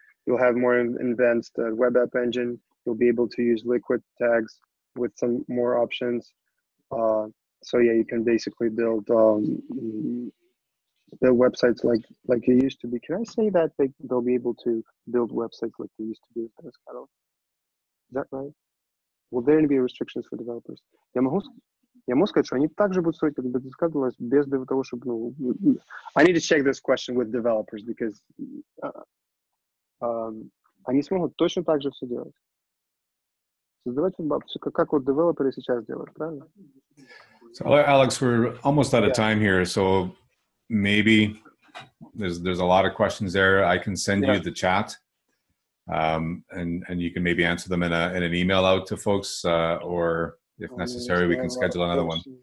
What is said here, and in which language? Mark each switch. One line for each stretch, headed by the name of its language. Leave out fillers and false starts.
English: You'll have more advanced web app engine. You'll be able to use liquid tags with some more options. So yeah, you can basically build the websites like you used to be. Can I say that they'll be able to build websites like they used to be with this catalog? Is that right? Will there be restrictions for developers?
Russian: Я могу сказать, что они также будут строить, как бы ты сказала, без того, чтобы, ну...
English: I need to check this question with developers, because
Russian: они смогут точно так же все делать. Создавать все, как вот девелоперы сейчас делают, правильно?
English: So, Alex, we're almost out of time here, so maybe there's a lot of questions there. I can send you the chat. And you can maybe answer them in an email out to folks, or if necessary, we can schedule another one.